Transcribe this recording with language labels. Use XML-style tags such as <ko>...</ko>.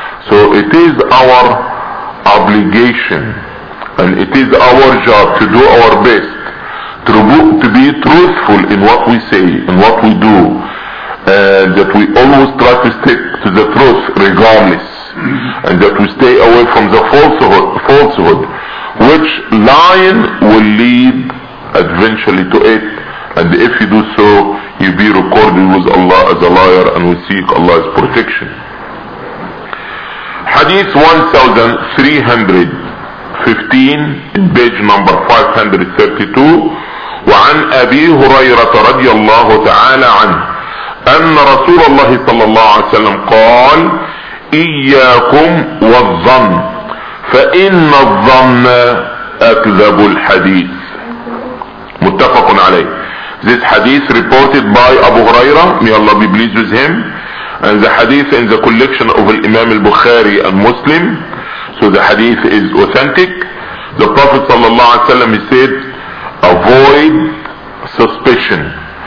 <en>So it is our obligation and it is our job to do our best to be truthful in what we say, in what we do, and that we always try to stick to the truth regardless, and that we stay away from the falsehood, which lying will lead eventually to it, and if you do so, you be recorded with Allah as a liar, and we seek Allah's protection. Hadith 1315, page number 532,</en> <ar>وعن أبي هريرة رضي الله تعالى عنه أن رسول الله صلى الله عليه وسلم قال إياكم والظن فإن الظن أكذب الحديث. متفق عليه.</ar> <en>This hadith reported by Abu Huraira, may Allah be pleased with him, and the hadith in the collection of Imam al-Bukhari and Muslim, so the hadith is authentic. The Prophet sallallahu alaihi wasallam, he said, avoid suspicion.</en>